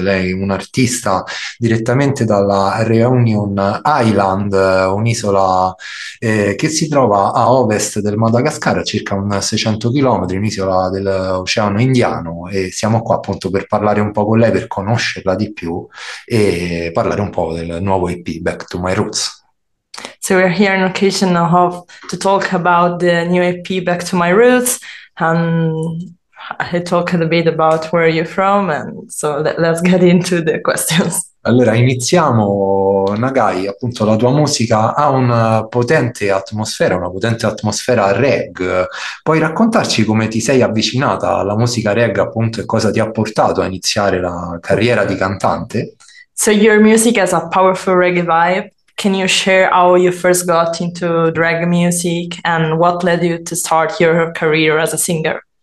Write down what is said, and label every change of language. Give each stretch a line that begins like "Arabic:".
Italian: Lei è un'artista direttamente dalla Réunion Island, un'isola che si trova a ovest del Madagascar, a circa 600 km, un'isola dell'Oceano Indiano. E siamo qua appunto per parlare un po' con lei, per conoscerla di più e parlare un po' del nuovo EP Back to My Roots.
English: So we're here on occasion of to talk about the new EP Back to My Roots. I talk a bit about where you're from, and so let's get into the questions.
Italian: Allora, iniziamo. Nagai, appunto, la tua musica ha una potente atmosfera, reg. Puoi raccontarci come ti sei avvicinata alla musica reg, appunto, e cosa ti ha portato a iniziare la carriera di cantante?
English: So your music has a powerful reggae vibe. Can you share how you first got into drag music and what led you to start your career as a singer?